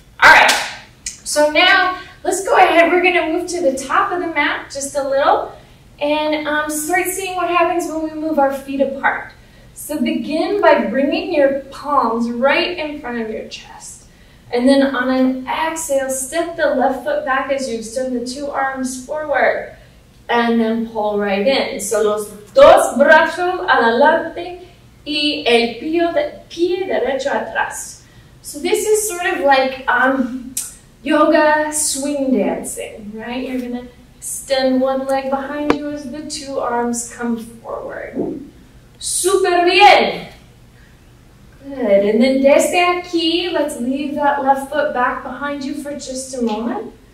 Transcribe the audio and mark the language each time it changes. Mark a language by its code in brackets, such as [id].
[en] All right, so now let's go ahead. We're gonna move to the top of the mat just a little and start seeing what happens when we move our feet apart. So begin by bringing your palms right in front of your chest. And then on an exhale, step the left foot back as you extend the two arms forward. And then pull right in. [es] So los dos brazos adelante y el pie derecho atrás. [en] So this is sort of like yoga swing dancing, right? You're gonna extend one leg behind you as the two arms come forward. [es] Super bien. [en] Good. And then [es] desde aquí, [en] let's leave that left foot back behind you for just a moment.